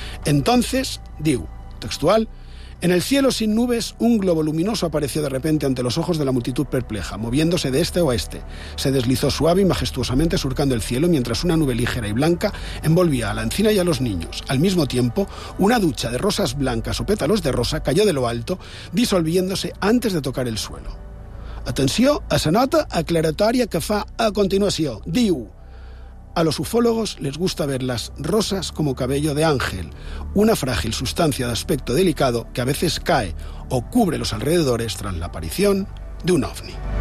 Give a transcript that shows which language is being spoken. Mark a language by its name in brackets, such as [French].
[Spanish] Entonces, digo, textual: en el cielo sin nubes, un globo luminoso apareció de repente ante los ojos de la multitud perpleja, moviéndose de este a oeste. Se deslizó suave y majestuosamente surcando el cielo, mientras una nube ligera y blanca envolvía a la encina y a los niños. Al mismo tiempo, una ducha de rosas blancas o pétalos de rosa cayó de lo alto, disolviéndose antes de tocar el suelo. [Catalan] Atenció a la nota aclaratòria que fa a continuació. [Spanish] Diu: a los ufólogos les gusta ver las rosas como cabello de ángel, una frágil sustancia de aspecto delicado que a veces cae o cubre los alrededores tras la aparición de un ovni.